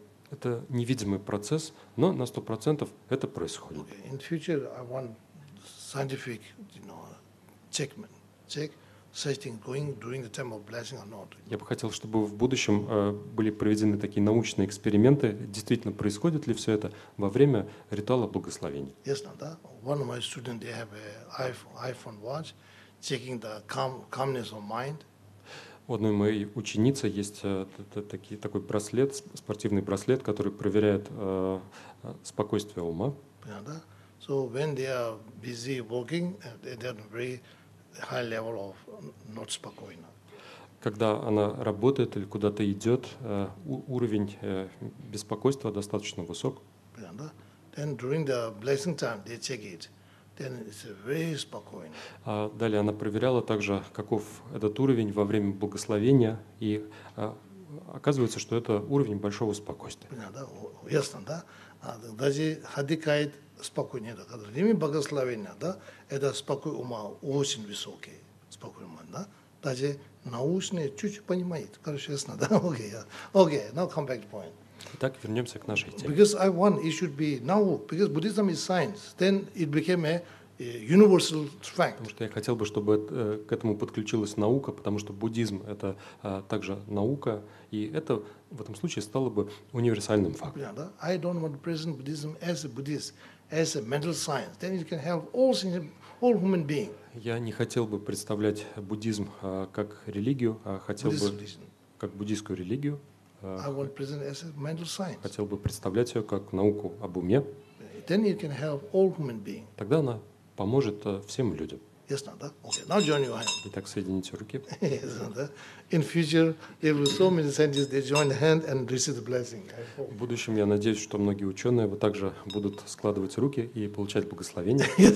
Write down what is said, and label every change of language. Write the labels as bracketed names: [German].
[Russian] Это невидимый процесс, но на 100% это происходит. [English] In future, I want scientific, you know, check setting going during the time of blessing or not. [Russian] Я бы хотел, чтобы в будущем были проведены такие научные эксперименты, действительно происходит ли все это во время ритуала благословения. [English] Yes, no, да. One of my students, they have a iPhone watch, checking the calmness of mind. [Russian] У одной моей ученицы есть такой браслет, спортивный браслет, который проверяет спокойствие ума. [English] So when they are busy working, they are very high level of not спокойно. [Russian] Когда она работает или куда-то идет, уровень беспокойства достаточно высок. [English] Then during the blessing time, they check it. Then it's very spokoyno. [Russian] Далее она проверяла также, каков этот уровень во время благословения, и оказывается, что это уровень большого спокойствия. Ясно, да? Даже хадикает спокойнее. Когда время благословения, да, это спокой ума очень высокий. Спокой ума, да? Даже научные чуть-чуть понимает. Короче, ясно, да? [English] Окей, now come back to point. [Russian] Итак, вернемся к нашей теме. [English] Because I want it should be now, because Buddhism is science, then it became a universal fact. [Russian] Потому что я хотел бы, чтобы к этому подключилась наука, потому что буддизм – это также наука, и это в этом случае стало бы универсальным фактом. [English] Yeah, I don't want to present Buddhism as a Buddhist, as a mental science. Then it can help all things, all human beings. [Russian] Я не хотел бы представлять буддизм как религию, а хотел бы как буддийскую религию. [English] I want to present as a mental science. [Russian] Хотел бы представлять ее как науку об уме. Then it can help all human beings. Тогда она поможет всем людям. Ясно, да? [English] Okay, now join your hand. [Russian] Итак, соедините руки. [English] In future, there will be so many scientists, they join hand and receive the blessing. [Russian] В будущем, я надеюсь, что многие ученые вот также будут складывать руки и получать благословение.